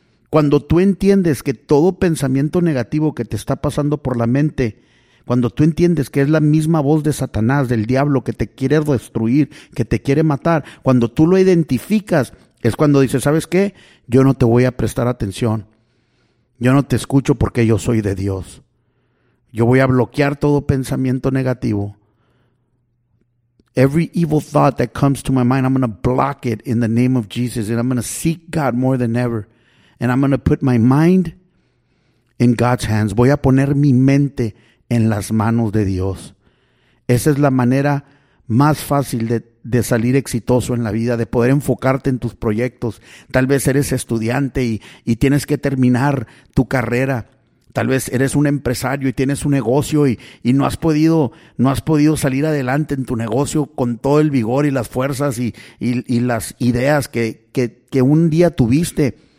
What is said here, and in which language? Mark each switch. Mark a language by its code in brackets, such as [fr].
[es] Cuando tú entiendes que todo pensamiento negativo que te está pasando por la mente, cuando tú entiendes que es la misma voz de Satanás, del diablo, que te quiere destruir, que te quiere matar, cuando tú lo identificas, es cuando dices, ¿sabes qué? Yo no te voy a prestar atención. Yo no te escucho porque yo soy de Dios. Yo voy a bloquear todo pensamiento negativo. [en] Every evil thought that comes to my mind, I'm going to block it in the name of Jesus, and I'm going to seek God more than ever. And I'm going to put my mind in God's hands. [es] Voy a poner mi mente en las manos de Dios. Esa es la manera más fácil de salir exitoso en la vida, de poder enfocarte en tus proyectos. Tal vez eres estudiante y tienes que terminar tu carrera. Tal vez eres un empresario y tienes un negocio y no has podido salir adelante en tu negocio con todo el vigor y las fuerzas y las ideas que un día tuviste.